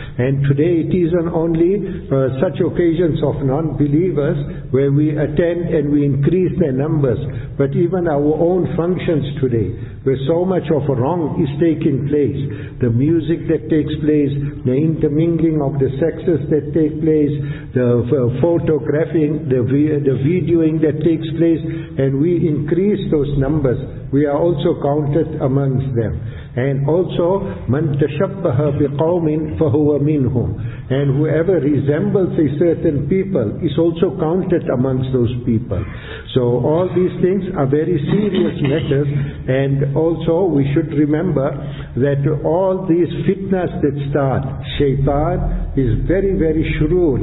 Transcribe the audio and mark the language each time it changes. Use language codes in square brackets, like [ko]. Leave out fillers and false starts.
[en] And today it isn't only such occasions of non-believers where we attend and we increase their numbers, but even our own functions today, where so much of wrong is taking place, the music that takes place, the intermingling of the sexes that take place, the photographing, the videoing that takes place, and we increase those numbers, we are also counted amongst them. And also, [ar] مَنْ تَشَبَّهَ بِقَوْمٍ فَهُوَ مِنْهُمْ. [en] And whoever resembles a certain people is also counted amongst those people. So all these things are very serious matters. And also we should remember that all these fitnas that start, shaitan is very, very shrewd.